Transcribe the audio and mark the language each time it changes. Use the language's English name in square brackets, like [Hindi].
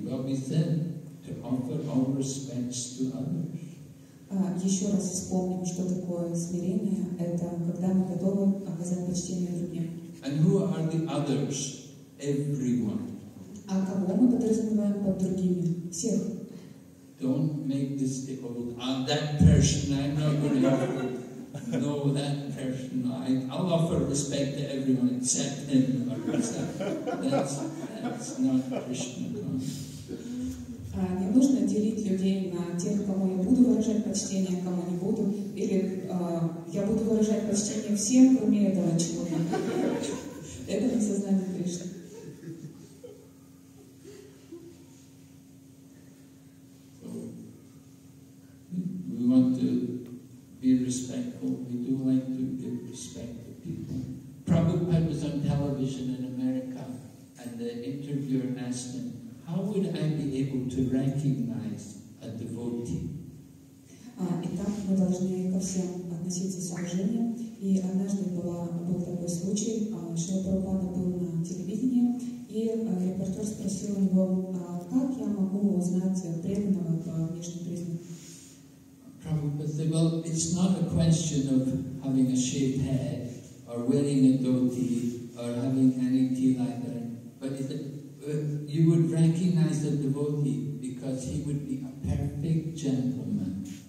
[English] Well, we said to offer our respects to others. [Russian] Еще раз вспомним, что такое смирение. Это когда мы готовы оказать почтение другим. [English] And who are the others? Everyone. [Russian] А кого мы подразумеваем под другими? Всех. [English] Don't make this difficult. I'm that person. I'm not going to know that person. I'll offer respect to everyone except him. That's not Krishna consciousness. [Russian] Не нужно делить людей на тех, кому я буду выражать почтение, кому не буду. Или я буду выражать почтение всем, кроме этого человека. Это не сознание Кришны. [English] We want to be respectful. We do like to give respect to people. Prabhupada was on television in America, and the interviewer asked him, "How would I be able to recognize a devotee?" [Russian] Итак, мы должны ко всем относиться с уважением. И однажды был такой случай, Шрила Прабхупада был на телевидении, и репортер спросил у него, как я могу узнать преданного по внешним признакам. [English] Prabhupada said, well, it's not a question of having a shaved head or wearing a dhoti or having any tea like that. But he said, you would recognize the devotee because he would be a perfect gentleman.